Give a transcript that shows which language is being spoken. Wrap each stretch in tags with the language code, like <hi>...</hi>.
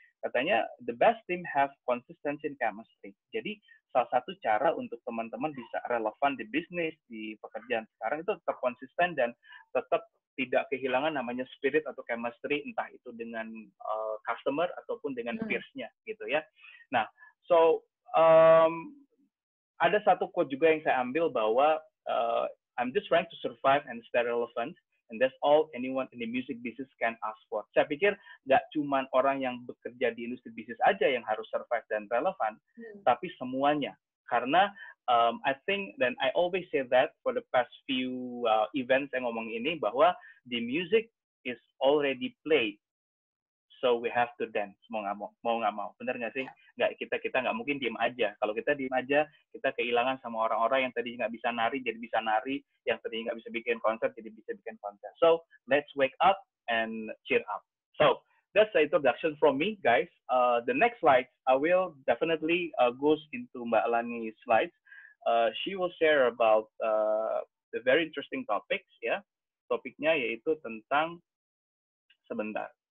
<id>Katanya,</id> <en>the best team have consistency in chemistry.</en> <id>Jadi, salah satu cara untuk teman-teman bisa relevan di bisnis, di pekerjaan sekarang itu tetap konsisten dan tetap tidak kehilangan namanya spirit atau chemistry, entah itu dengan customer ataupun dengan peers-nya, gitu ya.</id> <en>Nah, so,</en> <id>ada satu quote juga yang saya ambil bahwa</id> <en>I'm just trying to survive and stay relevant, and that's all anyone in the music business can ask for.</en> <id>Saya pikir nggak cuma orang yang bekerja di industri bisnis aja yang harus survive dan relevant, tapi semuanya. Karena</id> <en>I think,</en> <id>dan</id> <en>I always say that for the past few events</en> <id>saya ngomong ini, bahwa</id> <en>the music is already played, so we have to dance,</en> <id>mau nggak mau. Benar nggak sih? Kita nggak mungkin diem aja. Kalau kita diem aja, kita kehilangan sama orang-orang yang tadi nggak bisa nari, jadi bisa nari, yang tadi nggak bisa bikin konser, jadi bisa bikin konser.</id> <en>So, let's wake up and cheer up. So, that's the introduction from me, guys. The next slide, I will definitely goes into Mbak Lani's slides. She will share about the very interesting topics, ya. Yeah.</en> <id>Topiknya yaitu tentang sebentar.</id>